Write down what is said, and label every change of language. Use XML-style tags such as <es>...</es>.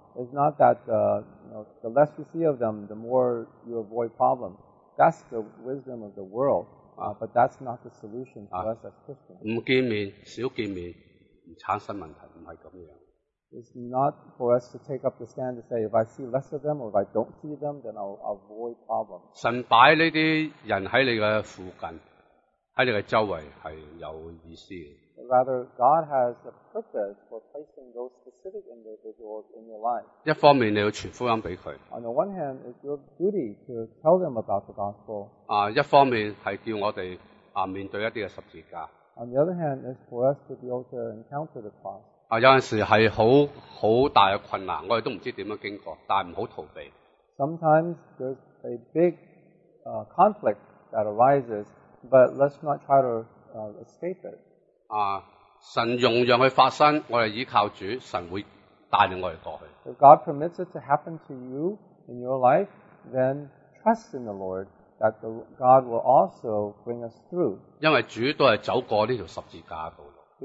<en>It's not that the less you see of them, the more you avoid problems. That's the wisdom of the world, but that's not the solution for us as Christians.</en> <yue>唔见面，少见面，唔产生问题，唔系咁样。</yue> <en>It's not for us to take up the stand to say, if I see less of them or if I don't see them, then I'll avoid problems.</en> <yue>神摆呢啲人喺你嘅附近，喺你嘅周围系有意思嘅。</yue> <en>Rather, God has a purpose for placing those specific individuals in your life.</en> <yue>一方面你要传福音俾佢。</yue> <en>On the one hand, it's your duty to tell them about the gospel.</en> <yue>一方面系叫我哋面对一啲嘅十字架。</yue> <en>On the other hand, it's for us to be able to encounter the cross.</en> <yue>有阵时系好大嘅困难，我哋都唔知点样经过，但系唔好逃避。</yue> <en>Sometimes there's a big conflict that arises, but let's not try to escape it.</en> <yue>神容让佢发生，我哋依靠主，神会带领我哋过去。</yue> <en>If God permits it to happen to you in your life, then trust in the Lord that God will also bring us through.</en> <yue>因为主都系走过呢条十字架嘅道路。</yue>